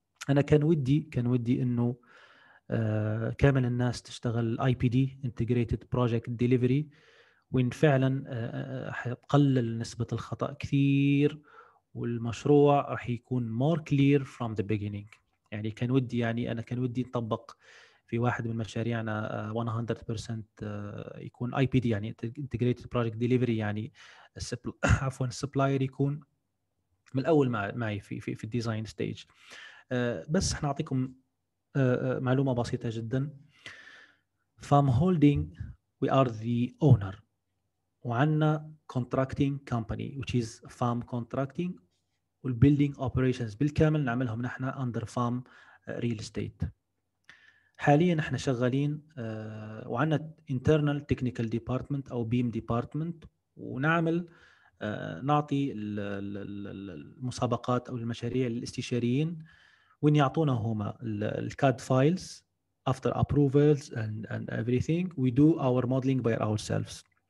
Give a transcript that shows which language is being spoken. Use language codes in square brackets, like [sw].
[ar] أنا كان ودي أنه كامل الناس تشتغل IPD Integrated Project Delivery، وإن فعلا حقلل نسبة الخطأ كثير، والمشروع راح يكون [en] more clear from the beginning. [ar] يعني كان ودي، يعني أنا كان ودي نطبق في واحد من مشاريعنا 100% يكون IPD يعني Integrated Project Delivery، يعني عفوا السبلاير يكون من الأول معي في في في الديزاين ستيج. بس حنعطيكم معلومة بسيطة جدا، [en] from holding we are the owner، وعنا contracting company which is farm contracting، والbuilding operations [ar] بالكامل نعملهم نحن [en] under farm real estate. [ar] حاليا نحن شغالين وعنا internal technical department أو beam department، ونعمل نعطي المسابقات أو المشاريع للاستشاريين، وين يعطونا هما الكاد فايلز [en] after approvals and everything we do our modeling by ourselves.